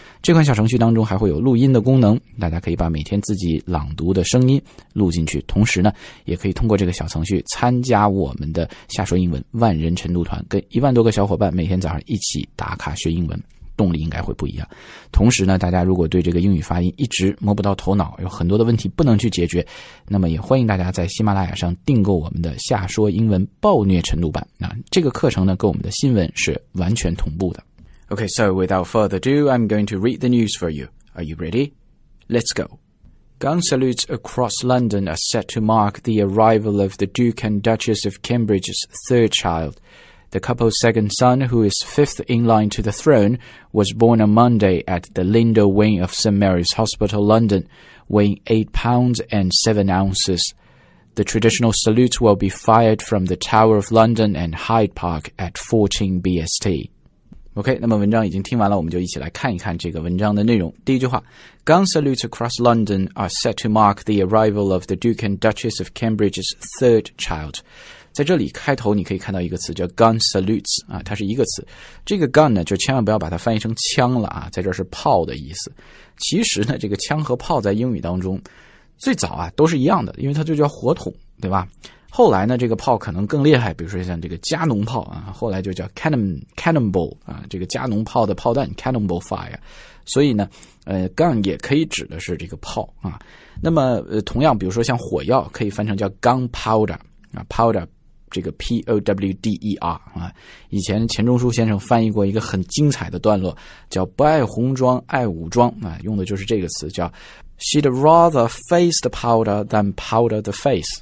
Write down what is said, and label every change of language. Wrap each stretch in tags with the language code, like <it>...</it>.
<zh>这款小程序当中还会有录音的功能，大家可以把每天自己朗读的声音录进去，同时呢，也可以通过这个小程序参加我们的瞎说英文万人晨读团，跟10,000多个小伙伴每天早上一起打卡学英文，动力应该会不一样。同时呢，大家如果对这个英语发音一直摸不到头脑，有很多的问题不能去解决，那么也欢迎大家在喜马拉雅上订购我们的瞎说英文暴虐晨读版。那这个课程呢，跟我们的新闻是完全同步的。</zh> <en>Okay, so without further ado, I'm going to read the news for you. Are you ready? Let's go. Gun salutes across London are set to mark the arrival of the Duke and Duchess of Cambridge's third child. The couple's second son, who is fifth in line to the throne, was born on Monday at the Lindo Wing of St. Mary's Hospital, London, weighing 8 pounds and 7 ounces. The traditional salute will be fired from the Tower of London and Hyde Park at 14 BST.</en> <zh>OK, 那么文章已经听完了，我们就一起来看一看这个文章的内容。第一句话，</zh> <en>Gun salutes across London are set to mark the arrival of the Duke and Duchess of Cambridge's third child.</en> <zh>在这里开头你可以看到一个词叫</zh> <en>gun salutes,、</en> <zh>啊、它是一个词。这个 gun 呢，就千万不要把它翻译成枪了、啊、在这是炮的意思。其实呢，这个枪和炮在英语当中最早啊都是一样的，因为它就叫火筒，对吧？后来呢，这个炮可能更厉害，比如说像这个加农炮啊，后来就叫 cannonball 啊，这个加农炮的炮弹</zh> <en>cannonball fire。</en> <zh>所以呢，gun 也可以指的是这个炮啊。那么同样，比如说像火药，可以翻成叫 gunpowder 啊 ，powder 这个 powder 啊。以前钱钟书先生翻译过一个很精彩的段落，叫不爱红装爱武装啊，用的就是这个词叫。</zh> <en>She'd rather face the powder than powder the face.</en>